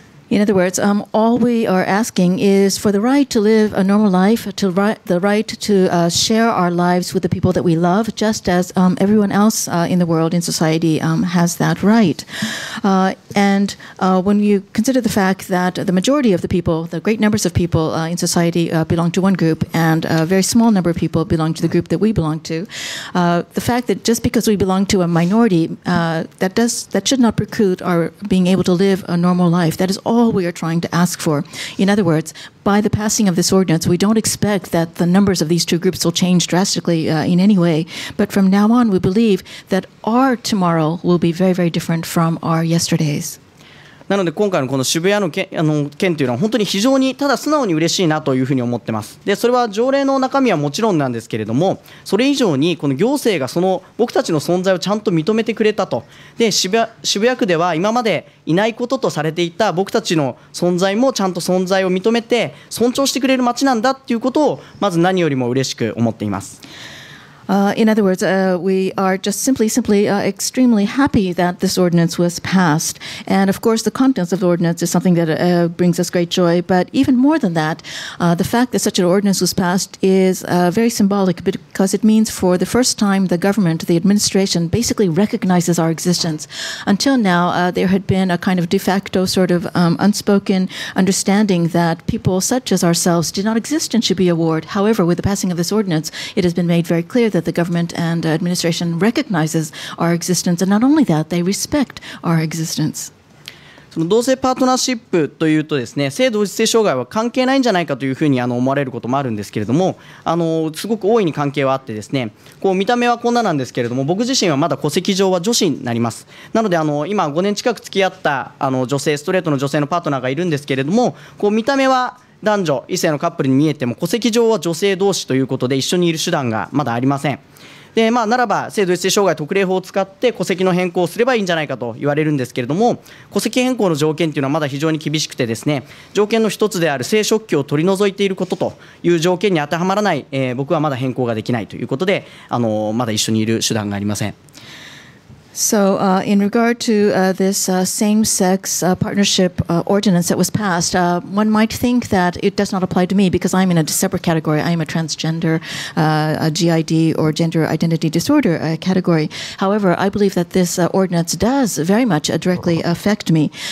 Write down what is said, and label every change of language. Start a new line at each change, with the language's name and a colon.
English: In other words, all we are asking is for the right to live a normal life, to the right to share our lives with the people that we love, just as everyone else in the world, in society, has that right. And when you consider the fact that the majority of the people, the great numbers of people in society belong to one group, and a very small number of people belong to the group that we belong to, the fact that just because we belong to a minority, that should not preclude our being able to live a normal life. That is all we are trying to ask for. In other words, by the passing of this ordinance, we don't expect that the numbers of these two groups will change drastically in any way. But from now on, we believe that our tomorrow will be very, very different from our yesterdays.
Japanese: なので今回のこの渋谷の 件というのは本当に非常にただ素直に嬉しいなというふうに思ってます。でそれは条例の中身はもちろんなんですけれども、それ以上にこの行政がその僕たちの存在をちゃんと認めてくれたと。で 渋谷区では今までいないこととされていた僕たちの存在もちゃんと存在を認めて尊重してくれる街なんだということをまず何よりも嬉しく思っています。
English: In other words, we are just simply extremely happy that this ordinance was passed. And of course, the contents of the ordinance is something that brings us great joy. But even more than that, the fact that such an ordinance was passed is very symbolic, because it means for the first time the government, the administration, basically recognizes our existence. Until now, there had been a kind of de facto sort of unspoken understanding that people such as ourselves did not exist and should be awarded. However, with the passing of this ordinance, it has been made very clear that the government and administration recognizes our existence, and not only that, they respect our existence.
Japanese: その同性パートナーシップというとですね、性同一性障害は関係ないんじゃないかというふうに思われることもあるんですけれども、すごく大いに関係はあってですね、こう見た目はこんななんですけれども、僕自身はまだ戸籍上は女子になります。なので今5年近く付き合った女性、ストレートの女性のパートナーがいるんですけれども、こう見た目は男女異性のカップルに見えても、戸籍上は女性同士ということで一緒にいる手段がまだありません。でまあ、ならば性同一性障害特例法を使って戸籍の変更をすればいいんじゃないかと言われるんですけれども、戸籍変更の条件というのはまだ非常に厳しくてですね、条件の一つである生殖器を取り除いていることという条件に当てはまらない、僕はまだ変更ができないということで、まだ一緒にいる手段がありません。
English: So, in regard to this same-sex partnership ordinance that was passed, one might think that it does not apply to me because I'm in a separate category. I am a transgender, a GID, or gender identity disorder category. However, I believe that this ordinance does very much directly affect me.